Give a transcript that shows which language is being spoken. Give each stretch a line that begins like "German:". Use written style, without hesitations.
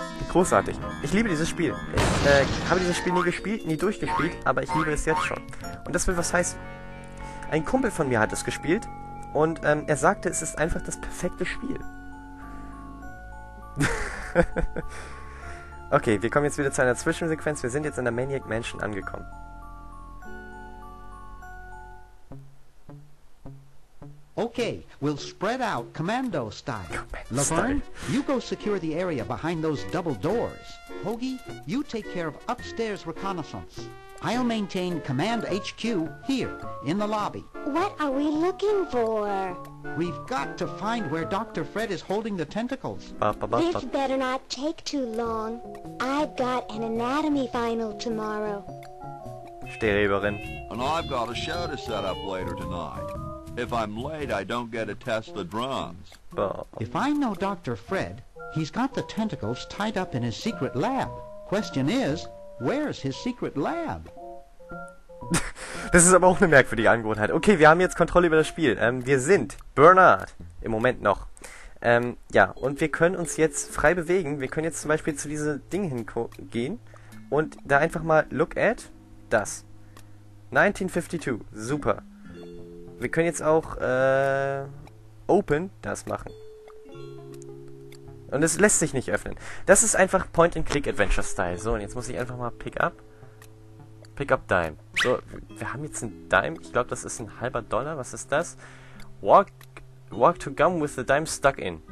German: Großartig. Ich liebe dieses Spiel. Ich habe dieses Spiel nie gespielt, nie durchgespielt, aber ich liebe es jetzt schon. Und das will was heißen. Ein Kumpel von mir hat es gespielt und er sagte, es ist einfach das perfekte Spiel. Okay, wir kommen jetzt wieder zu einer Zwischensequenz. Wir sind jetzt in der Maniac Mansion angekommen.
English: Okay, we'll spread out commando style. Laverne, you go secure the area behind those double doors. Hoagie, you take care of upstairs reconnaissance. I'll maintain command HQ here, in the lobby. What are we looking for? We've got to find where Dr. Fred is holding the tentacles. This better not take too long. I've got an anatomy final tomorrow.
German: Streberin.
English: And I've got a show to set up later tonight. If I'm late, I don't get to test the drums. If I know Dr. Fred, he's got the tentacles tied up in his secret lab. Question is, where's his secret lab?
German: Das ist aber auch eine merkwürdige Angewohnheit. Okay, wir haben jetzt Kontrolle über das Spiel. Wir sind Bernard. Im Moment noch. Und wir können uns jetzt frei bewegen. Wir können jetzt zum Beispiel zu diesem Ding hingehen und da einfach mal
English: look at
German: das. 1952. Super. Wir können jetzt auch open das machen. Und es lässt sich nicht öffnen. Das ist einfach Point-and-Click-Adventure-Style. So, und jetzt muss ich einfach mal Pick-up Dime. So, wir haben jetzt ein Dime. Ich glaube, das ist ein halber Dollar. Was ist das?
English: Walk to gum with the dime stuck in.